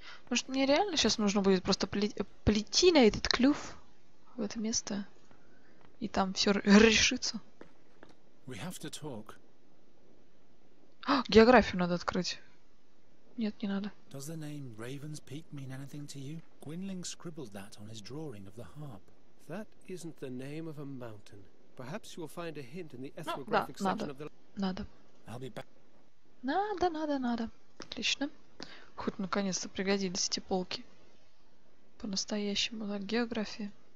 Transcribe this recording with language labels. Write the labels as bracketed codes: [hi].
[ru] Может, мне реально сейчас нужно будет просто плети на этот клюв в это место? И там все решится. [en] We have to talk. [ru] А, географию надо открыть. Нет, не надо. [en] Does the name Raven's Peak mean anything to you? Gwynling scribbled that on his drawing of the harp. That isn't the name of a mountain. Perhaps you will find a hint in the ethnographic section of the. [ru] Надо. [en] I'll be back. [ru] Надо, надо, надо. Отлично. Хоть наконец-то пригодились эти полки. По-настоящему, да, география.